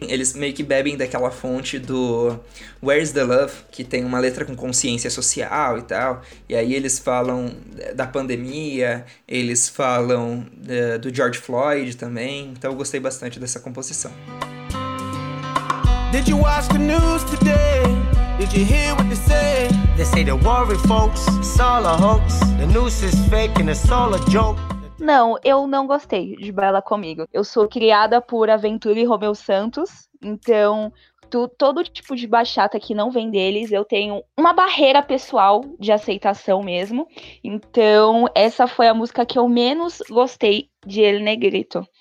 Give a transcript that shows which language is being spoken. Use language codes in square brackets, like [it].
[pt] Eles meio que bebem daquela fonte do Where's the Love, que tem uma letra com consciência social e tal. E aí eles falam da pandemia, eles falam do George Floyd também. Então eu gostei bastante dessa composição. [en] Did you watch the news today? Did you hear what they say? They say they're worried, folks. It's all a hoax. The news is fake and it's all a joke. [pt] Não, eu não gostei de Baila Comigo. Eu sou criada por Aventura e Romeo Santos, então todo tipo de bachata que não vem deles, eu tenho uma barreira pessoal de aceitação mesmo. Então essa foi a música que eu menos gostei de El Negrito.